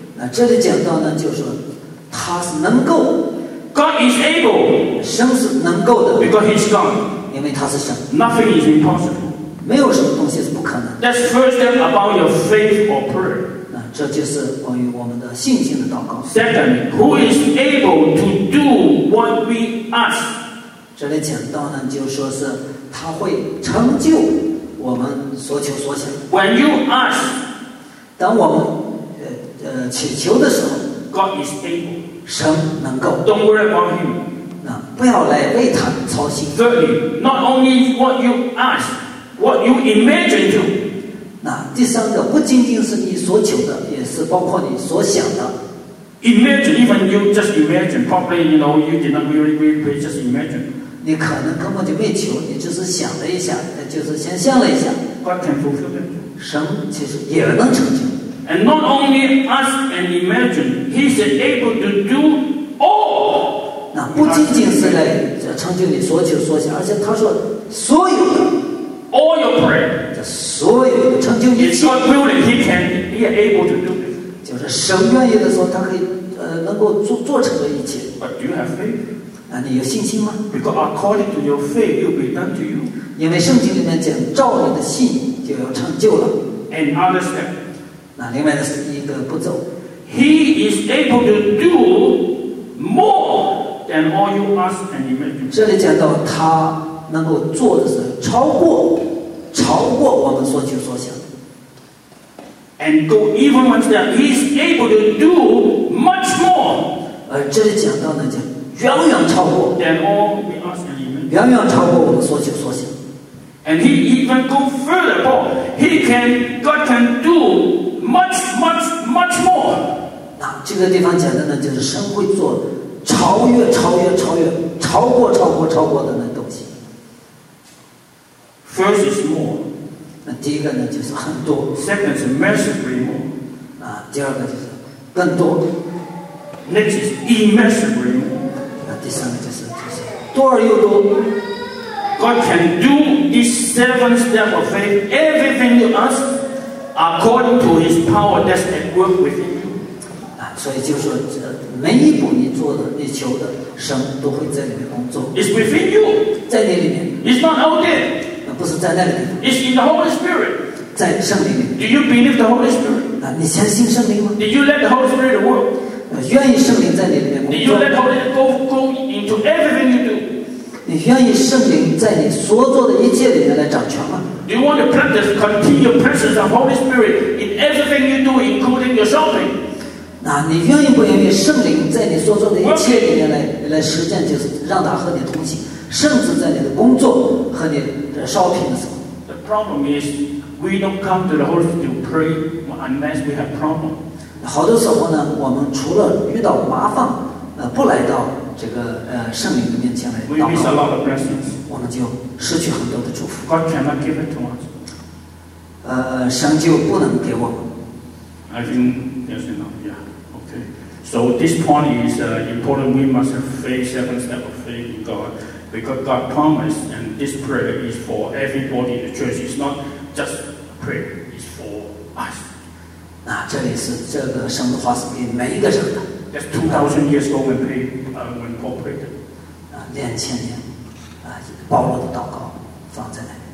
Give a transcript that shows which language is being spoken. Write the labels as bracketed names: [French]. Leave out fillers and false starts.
[Chinese] 那这里讲到呢，就是说他是能够 [English] ，God is able， [Chinese] 神是能够的 [English] ，because he's God， [Chinese] 因为他是神 [English] ，nothing is impossible， [Chinese] 没有什么东西是不可能。 [English] That's first step about your faith or prayer。 [Chinese] 那这就是关于我们的信心的祷告。 [English] Second， who is able to do what we ask？ [Chinese] 这里讲到呢，就说是他会成就我们所求所想。 [English] When you ask， [Chinese] 当我们祈求的时候 [English] ，God is able， [Chinese] 神能够。 [English] Don't worry about him， [Chinese] 不要来为他操心。 [English] Thirdly, not only what you ask, what you imagine to， [Chinese] 那第三个不仅仅是你所求的，也是包括你所想的。 [English] Imagine, even you just imagine, probably you know you did not really pray, just imagine。 [Chinese] 你可能根本就没求，你只是想了一下，就是想象了一下。 [English] God can fulfill it， [Chinese] 神其实也能成就。 [English] And not only ask and imagine, he is able to do all. [Chinese] 那不仅仅是来成就你所求所想，而且他说所有的 [English] all your prayer， [Chinese] 这所有的成就一切。 [English] It's God willing, he can be able to do it. [Chinese] 就是神愿意的时候，他可以能够做成的一切。 [English] But do you have faith? [Chinese] 那你有信心吗？ [English] Because according to your faith, it will be done to you. [Chinese] 因为圣经里面讲，照你的信就要成就了。 [English] And other step. [Chinese] 那另外的一个步骤。 [English] He is able to do more than all you ask and imagine. [Chinese] 这里讲到他能够做的是超过我们所求所想。 [English] And go even one step. He is able to do much more. [Chinese] 这里讲到呢，讲远远超过 [English] than all we ask and imagine. [Chinese] 远远超过我们所求所想。 [English] And he even go further, Paul. He can, God can do much, much, much more. [Chinese] 那这个地方讲的呢，就是神会做超越、超越、超越、超过、超过、超过的那东西。 [English] First is more. [Chinese] 那第一个呢，就是很多。 [English] Second is immeasurably more. [Chinese] 那第二个就是更多。 [English] Next is immeasurably more. [Chinese] 第三个就是多而又多。 [English] God can do this seven step of faith, everything you ask, according to His power that's at work within you. [Chinese] 啊，所以就说这每一步你做的、你求的，神都会在里面工作。 [English] It's within you. [Chinese] 在你里面。 [English] It's not out there. [Chinese] 那不是在那里面。 [English] It's in the Holy Spirit. [Chinese] 在圣灵里面。 [English] Do you believe the Holy Spirit? [Chinese] 啊，你相信圣灵吗 [English] ？Do you let the Holy Spirit work? [Chinese] 愿意圣灵在你里面工作。 [English] Do you let Holy Spirit go into everything you do? [Chinese] 你愿意圣灵在你所做的一切里面来掌权吗 [English] ？Do you want to practice continual presence of Holy Spirit in everything you do, including your shopping? [Chinese] 那你愿意不愿意圣灵在你所做的一切里面来实践，就是让他和你同行，甚至在你的工作和你的 shopping 的时候 [English] ？The problem is we don't come to the Holy Spirit to pray unless we have problem. [Chinese] 好多时候呢，我们除了遇到麻烦，不来到这个圣灵的面前来祷告，我们就失去很多的祝福。 [English] God cannot give it to us. [Chinese] 神就不能给我们。 [English] I think that's enough. Yeah. Okay. So this point is important. We must have faith, seven step of faith in God, because God promised, and this prayer is for everybody in the church. It's not just a prayer. It's for us. [Chinese] 那这里是这个神的话是给每一个人的。 [English] That's 2,000 years ago when they when Paul prayed. [Chinese] 啊，两千年，保罗的祷告放在那里。